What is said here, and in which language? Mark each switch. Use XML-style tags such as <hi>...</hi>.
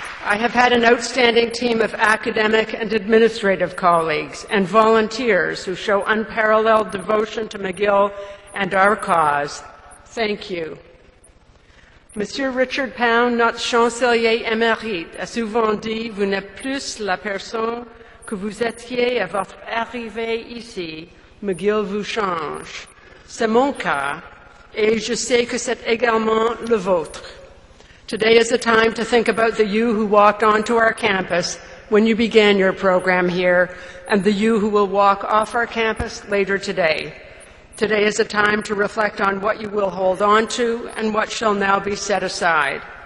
<en>I have had an outstanding team of academic and administrative colleagues and volunteers who show unparalleled devotion to McGill and our cause. Thank you.</en> <fr>Monsieur Richard Pound, notre chancelier émérite, a souvent dit, vous n'êtes plus la personne que vous étiez à votre arrivée ici, McGill vous change. C'est mon cas, et je sais que c'est également le vôtre.</fr> <en>Today is the time to think about the you who walked onto our campus when you began your program here, and the you who will walk off our campus later today. Today is a time to reflect on what you will hold on to and what shall now be set aside.</en>